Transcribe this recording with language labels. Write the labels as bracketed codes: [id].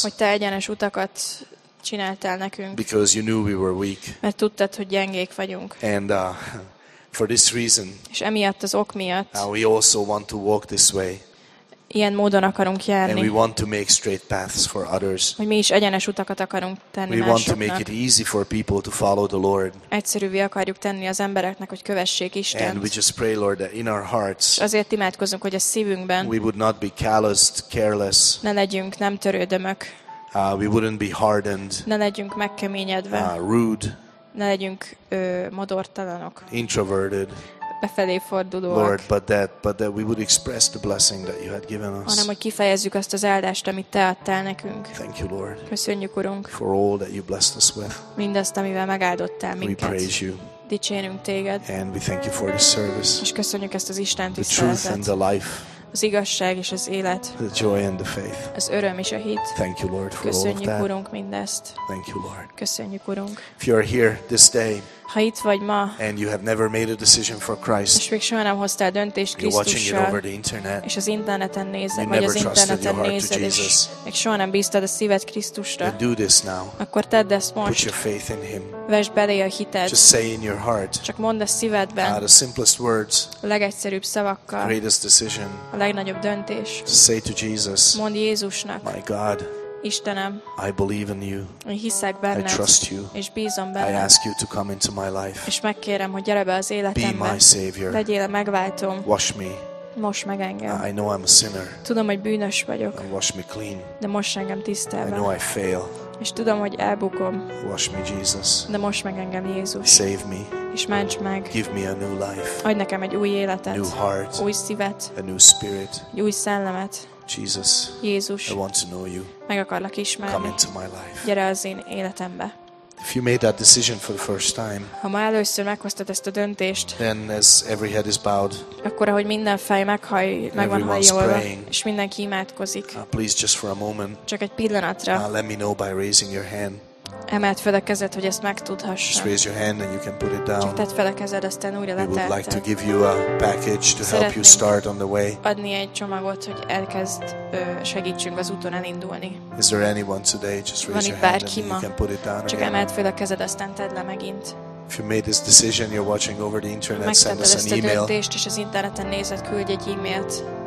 [hu] Hogy te egyenes utakat csináltál nekünk. [en] Because you knew we were weak. [hu] Mert tudtad, hogy gyengék vagyunk. [en] And for this reason. [hu] És emiatt az ok miatt. [en] We also want to walk this way. [hu] Ilyen módon akarunk járni. [en] And we want to make straight paths for others. [hu] Hogy mi is egyenes utakat akarunk tenni másoknak. [en] We want to make it easy for people to follow the Lord. [hu] Egyszerűvé akarjuk tenni az embereknek, hogy kövessék Istent. [en] And we just pray, Lord, that in our hearts. [hu] Azért imádkozunk, hogy a szívünkben. [en] We would not be calloused, careless. [hu] Ne legyünk nem törődömök. [en] We wouldn't be hardened. [hu] Ne legyünk megkeményedve. [en] Rude. [hu] Ne legyünk modortalanok. [en] Introverted. [hu] Befelé fordulóak. [en] Lord, but that we would express the blessing that you had given us. [hu] Hanem, hogy kifejezzük azt az áldást, amit te adtál nekünk. [en] Thank you, Lord. [hu] Köszönjük, Urunk. [en] For all that you blessed us with. [hu] Mindazt, amivel megáldottál minket. [en] We praise you. [hu] Dicsérünk téged. [en] And we thank you for this service. [hu] És köszönjük ezt az Isten tiszteletet. [en] The truth and the life. [hu] Az igazság és az élet. [en] The joy and the faith. [hu] Az öröm és a hit. [en] Thank you, Lord, for [hu] köszönjük, [en] all of that. [hu] Köszönjük, Urunk, mindezt. [en] Thank you, Lord. [hu] Köszönjük, Urunk. [en] If you are here this day, [hu] ha itt vagy ma, [en] and you have never made a decision for Christ, [hu] és még soha nem hoztál döntést Krisztussal, [en] over the internet, [hu] és az interneten nézed, vagy az interneten nézed, [en] Jesus, [hu] és még soha nem bíztad a szíved Krisztusra, [en] do this now. [hu] Akkor tedd ezt most. [en] Put your faith in him. [hu] Vesd belé a hited. [en] Just say in your heart, [hu] csak mondd a szívedben, [en] the simplest words, [hu] a legegyszerűbb szavakkal, [en] greatest decision, [hu] a legnagyobb döntés. [en] Say to Jesus, [hu] mondd Jézusnak, [en] my God, [hu] Istenem, [en] I believe in you. [hu] Én hiszek benned. [en] I trust you. [hu] És bízom benned. [en] I ask you to come into my life. [hu] És megkérem, hogy gyere be az életembe. [en] Be my savior. [hu] Legyél a megváltóm. [en] Wash me. [hu] Mosd meg engem. [en] I know I'm a sinner. [hu] Tudom, hogy bűnös vagyok. [en] And wash me clean. [hu] De mosd engem tisztelve. [en] I know I fail. [hu] És tudom, hogy elbukom. [en] Wash me, Jesus. [hu] De mosd meg engem, Jézus. [en] Save me. [hu] És ments meg. [en] Give me a new life. [hu] Adj nekem egy új életet. [en] New heart. [hu] Új szívet. [en] A new spirit. [hu] Egy új szellemet. [en] Jesus, [hu] Jézus, [en] I want to know you. [hu] Meg akarlak ismerni. [en] Come into my life. [hu] Gyere az én életembe. [en] If you made that decision for the first time, [hu] ha ma először meghoztad ezt a döntést, [en] then as every head is bowed, [hu] akkor ahogy minden fej meg van hajolva, és mindenki imádkozik, [en] please just for a moment, [hu] csak egy pillanatra, [en] let me know by raising your hand. [hu] Emeld fel a kezed, hogy ezt megtudhassam. [en] Just raise your hand and you can put it down. [hu] Csak tedd fel a kezed, aztán újra letelted. [en] We would like to give you a package to help you start on the way. [hu] Adni egy csomagot, hogy elkezd segítsünk az úton elindulni. [en] Is there anyone today? Just raise your hand and you can put it down. [hu] Csak emeld fel a kezed, aztán tedd le megint. [en] If you made this decision, you're watching over the internet, send us an email. [hu] Megtetted ezt a döntést, és az interneten nézed, küldj egy e-mailt.